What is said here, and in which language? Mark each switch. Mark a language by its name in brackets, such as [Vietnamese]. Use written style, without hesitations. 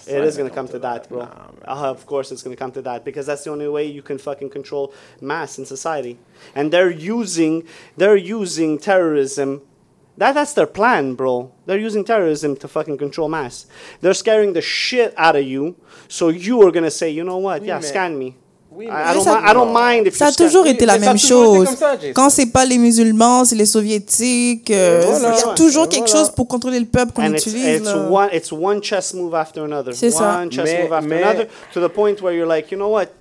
[English] It is going to come to that, bro. Nah, of course, it's going to come to that because that's the only way you can fucking control mass in society. And they're using terrorism. That's their plan, bro. They're using terrorism to fucking control mass. They're scaring the shit out of you. So you are going to say, you know what? Oui, yeah, scan me. I don't mind if [French] ça a toujours été la même chose. Ça, quand c'est pas les musulmans, c'est les soviétiques. Voilà. Il y a toujours quelque chose pour contrôler le peuple qu'on utilise. [English] It's one chess move after another. [French] C'est ça. [English] To the point where you're like, you know what?